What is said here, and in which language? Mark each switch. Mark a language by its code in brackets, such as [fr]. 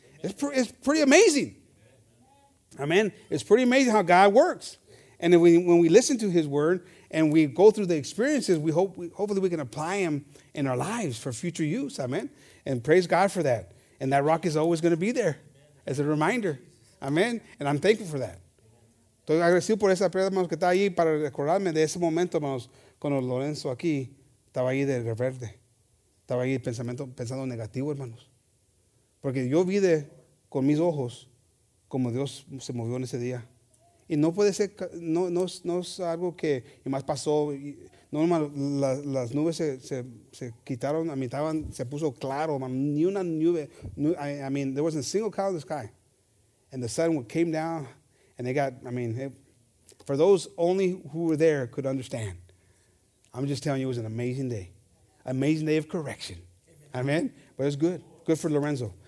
[en] It's pretty amazing. Amen. It's pretty amazing how God works. And when we listen to his word and we go through the experiences, hopefully we can apply them in our lives for future use. Amen. And praise God for that. And that rock is always going to be there as a reminder. Amen. And I'm thankful for that. [es] Estoy agradecido por esa piedra, hermanos, que está ahí para recordarme de ese momento, hermanos, cuando Lorenzo aquí estaba ahí de reverde. Estaba ahí pensando negativo, hermanos. Porque yo vi con mis ojos como Dios se movió en ese día. Y no puede ser, no es algo que y más pasó. Y, no, hermano, las nubes se quitaron, a mitad se puso claro, hermano. Ni una nube. [en] There wasn't a single cloud in the sky. And the sun came down, and they got, for those only who were there could understand. I'm just telling you, it was an amazing day. Amazing day of correction. Amen. Amen? But it's good. Good for Lorenzo.